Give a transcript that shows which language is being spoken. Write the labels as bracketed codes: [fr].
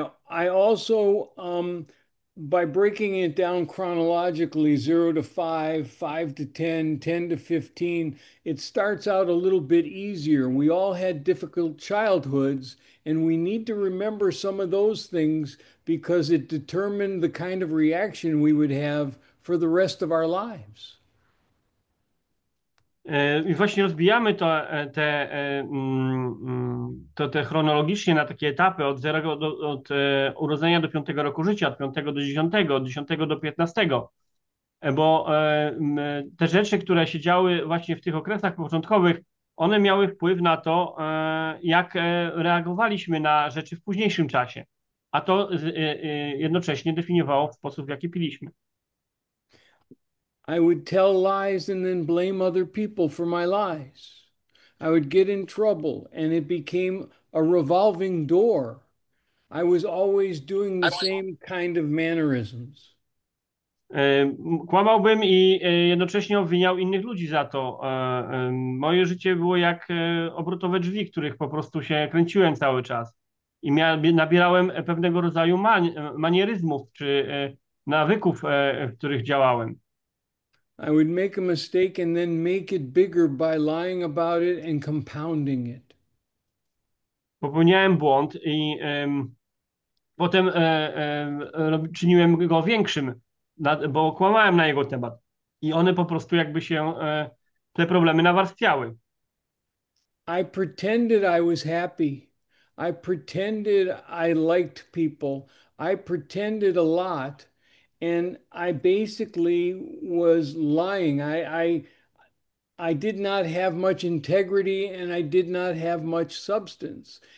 [en] I also, by breaking it down chronologically, 0 to 5, 5 to 10, 10 to 15, it starts out a little bit easier. We all had difficult childhoods, and we need to remember some of those things because it determined the kind of reaction we would have for the rest of our lives. [pl] I właśnie rozbijamy to chronologicznie na takie etapy od 0 od urodzenia do 5 roku życia, od 5 do 10, od 10 do 15. Bo te rzeczy, które się działy właśnie w tych okresach początkowych, one miały wpływ na to, jak reagowaliśmy na rzeczy w późniejszym czasie. A to jednocześnie definiowało sposób, w jaki piliśmy. [en] I would tell lies and then blame other people for my lies. I would get in trouble and it became a revolving door. I was always doing the same kind of mannerisms. [pl] Kłamałbym i jednocześnie obwiniał innych ludzi za to. Moje życie było jak obrotowe drzwi, których po prostu się kręciłem cały czas i nabierałem pewnego rodzaju manieryzmów czy nawyków, w których działałem. I would make a mistake and then make it bigger by lying about it and compounding it. Popełniałem błąd i potem czyniłem go większym, bo kłamałem na jego temat. I one po prostu jakby się te problemy nawarstwiały. [en] I pretended I was happy. I pretended I liked people. I pretended a lot. And I basically was lying. I did not have much integrity and I did not have much substance.